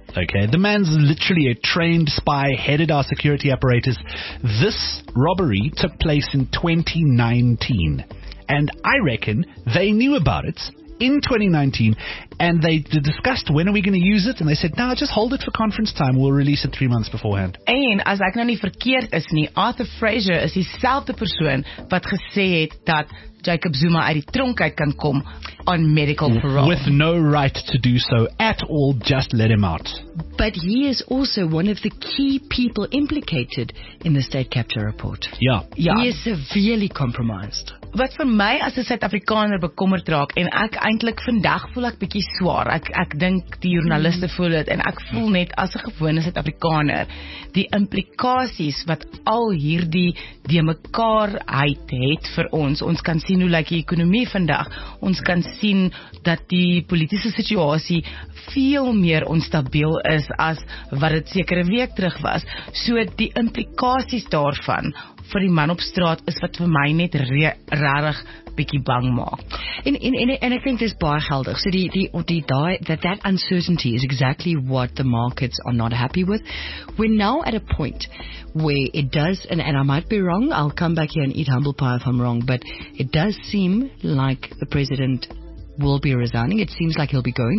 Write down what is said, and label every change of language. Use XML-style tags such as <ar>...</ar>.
<en>Okay, the man's literally a trained spy, headed our security apparatus. This robbery took place in 2019. And I reckon they knew about it in 2019. And they discussed, when are we going to use it? And they said, nah, just hold it for conference time. We'll release it 3 months beforehand.</en> <af>En as ek nou nie verkeerd is nie, Arthur Fraser is dieselfde persoon wat gesê het dat Jacob Zuma uit die tronk uit kan kom</af> <en>on medical parole. With no right to do so at all, just let him out. But he is also one of the key people implicated in the state capture report. Yeah. He is severely compromised.</en> <af>wat vir my as 'n Suid-Afrikaner bekommerd raak, en ek eintlik vandag voel ek bietjie swaar, ek dink die joernaliste voel dit, en ek voel net as 'n gewone Suid-Afrikaner, die implikasies wat al hierdie die mekaarheid het vir ons, ons kan sien hoe lyk die ekonomie vandag, ons kan sien dat die politieke situasie veel meer onstabiel is as wat het sekere week terug was, so die implikasies daarvan, vir die man op straat is wat vir my net rarig bietjie bang maak. En ek dink dit is baie geldig.</af> <en>So that uncertainty is exactly what the markets are not happy with. We're now at a point where it does, and I might be wrong, I'll come back here and eat humble pie if I'm wrong, but it does seem like the president will be resigning. It seems like he'll be going.</en>